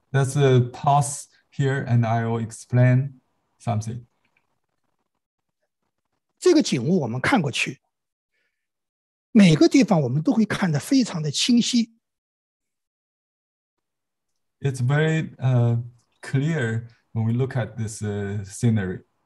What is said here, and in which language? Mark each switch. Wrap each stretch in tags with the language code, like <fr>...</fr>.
<en>Let's pause here, and I will explain something.</en> <zh>这个景物我们看过去，每个地方我们都会看得非常的清晰。</zh> <en>It's very clear when we look at this scenery.</en>